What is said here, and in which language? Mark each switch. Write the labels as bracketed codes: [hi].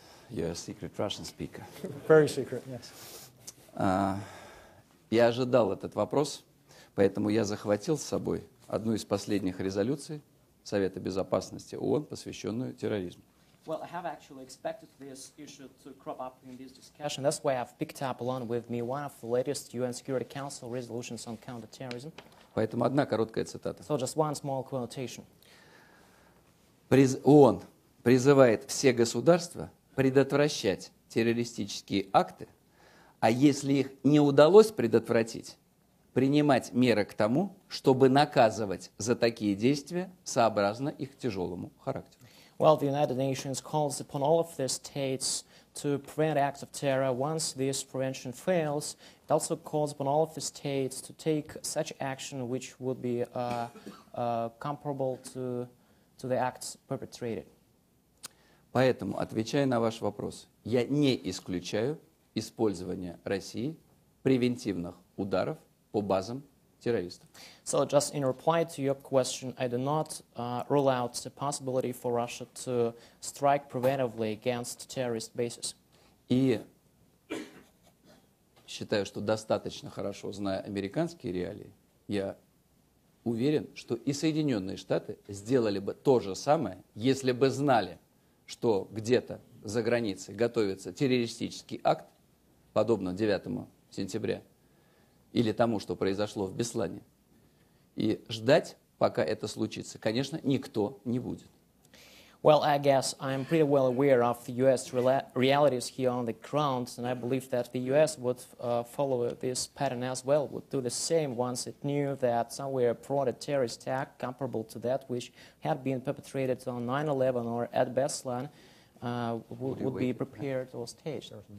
[en] You're a secret Russian speaker. Very secret, yes. [ru] Я ожидал этот вопрос, поэтому я захватил с собой одну из последних резолюций Совета Безопасности ООН, посвященную терроризму. [en] Well, I have actually expected this issue to crop up in this discussion. That's why I've picked up along with me one of the latest UN Security Council resolutions on counterterrorism. [ru] Поэтому одна короткая цитата. [en] So just one small quotation. [ru] ООН призывает все государства предотвращать террористические акты, а если их не удалось предотвратить, принимать меры к тому, чтобы наказывать за такие действия сообразно их тяжелому характеру. [en] Well, the United Nations calls upon all of the states to prevent acts of terror. Once this prevention fails, it also calls upon all of the states to take such action which would be comparable to the acts perpetrated. [ru] Поэтому, отвечая на ваш вопрос, я не исключаю использования России превентивных ударов по базам террористов. [en] So just in reply to your question, I do not rule out the possibility for Russia to strike preventively against terrorist bases. [ru] И считаю, что достаточно хорошо зная американские реалии, я уверен, что и Соединенные Штаты сделали бы то же самое, если бы знали, что где-то за границей готовится террористический акт, подобно 9 сентября, или тому, что произошло в Беслане. И ждать, пока это случится, конечно, никто не будет. [en] Well, I guess I'm pretty well aware of the US realities here on the ground, and I believe that the US would follow this pattern as well, would do the same once it knew that somewhere brought a terrorist attack comparable to that which had been perpetrated on 9/11 or at Beslan, would be prepared or staged.